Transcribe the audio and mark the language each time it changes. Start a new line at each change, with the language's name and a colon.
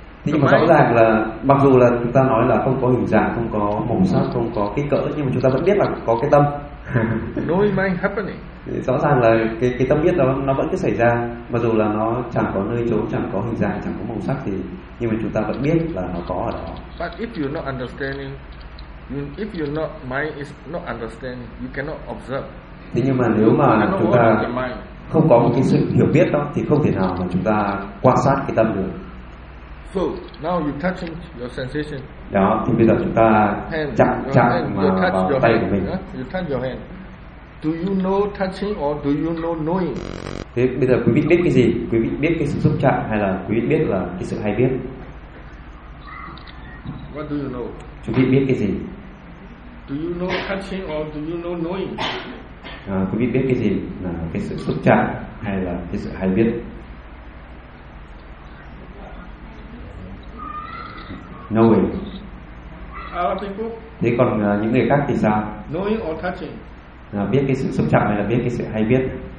Vietnamese: Thế nhưng mà rõ ràng là mặc dù là chúng ta nói là không có hình dạng, không có màu sắc, không có kích cỡ, nhưng mà chúng ta vẫn biết là có cái tâm.
English: No mind happening.
Vietnamese: Rõ ràng là cái tâm biết đó nó vẫn cứ xảy ra, mặc dù là nó chẳng có nơi trốn, chẳng có hình dạng, chẳng có màu sắc, thì nhưng mà chúng ta vẫn biết là nó có ở đó.
English: But if you're not understanding, if you're not mind is not understanding, you cannot observe.
Vietnamese: Thế nhưng mà nếu mà chúng ta không có một cái sự hiểu biết đó thì không thể nào mà chúng ta quan sát cái tâm được.
English: So now you touching your sensation.
Vietnamese: Đó, thì bây giờ chúng ta chạm mà vào tay của mình.
English: You touch your hand. Do you know touching or do you know knowing?
Vietnamese: Thế bây giờ quý vị biết cái gì? Quý vị biết cái sự xúc chạm hay là quý vị biết là cái sự hay biết?
English: What do you know?
Vietnamese: Quý vị biết cái gì?
English: Do you know touching or do you know knowing?
Vietnamese: Quý vị biết cái gì là cái sự xúc chạm hay là cái sự hay biết?
English: Knowing. Other people.
Vietnamese: Thế còn những người khác thì sao?
English: Knowing or touching?
Vietnamese: Biết cái sự xúc chạm hay là biết cái sự hay biết?